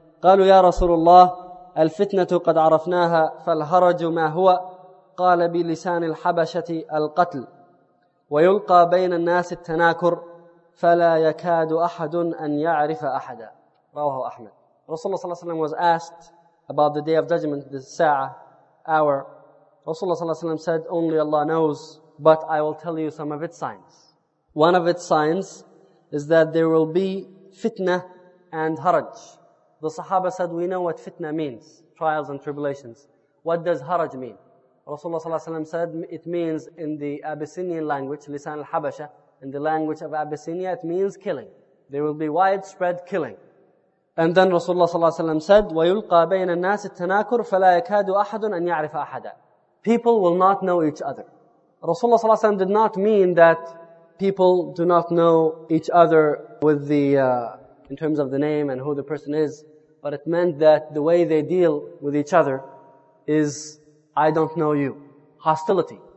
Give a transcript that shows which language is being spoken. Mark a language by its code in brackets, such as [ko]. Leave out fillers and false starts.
[ar] قَالُوا يَا رَسُولُ اللَّهِ الْفِتْنَةُ قَدْ عَرَفْنَاهَا فَالْهَرَجُ مَا هُوَ؟ قال بلسان الحبشة القتل ويلقى بين الناس التناكر فلا يكاد أحد أن يعرف أحدا رواه أحمد. [en] Rasulullah صلى الله عليه وسلم was asked about the day of judgment, the sa'a, hour. Rasulullah صلى الله عليه وسلم said, only Allah knows, but I will tell you some of its signs. One of its signs is that there will be fitna and haraj. The Sahaba said, we know what fitna means, trials and tribulations. What does haraj mean? Rasulullah ﷺ said, it means in the Abyssinian language, Lisan al-Habasha, in the language of Abyssinia, it means killing. There will be widespread killing. And then Rasulullah ﷺ said, [ar] وَيُلْقَى بَيْنَ النَّاسِ التَّنَاكُرُ فَلَا يَكَادُ أَحَدٌ أَنْ يَعْرِفَ أَحَدًا. [en] People will not know each other. Rasulullah ﷺ did not mean that people do not know each other with the in terms of the name and who the person is, but it meant that the way they deal with each other is, I don't know you. Hostility.